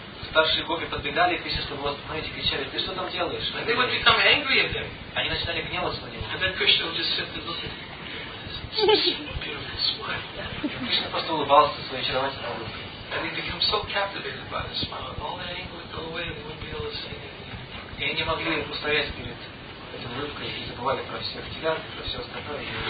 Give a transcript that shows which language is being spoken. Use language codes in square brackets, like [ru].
[ru] Старшие гопи подбегали к Кришне, чтобы остановить и кричали, ты что там делаешь? [en] They would become angry at him. [ru] Они начинали гневаться на него. [en] And then Krishna would just sit and look at him. Beautiful smile. [ru] Кришна просто улыбался своей очаровательной улыбкой. [en] And he'd become so captivated by the smile. All that anger would go away and wouldn't be able to say anything. [ru] И они не могли устоять перед этой улыбкой и забывали про все тебя, про все остальное.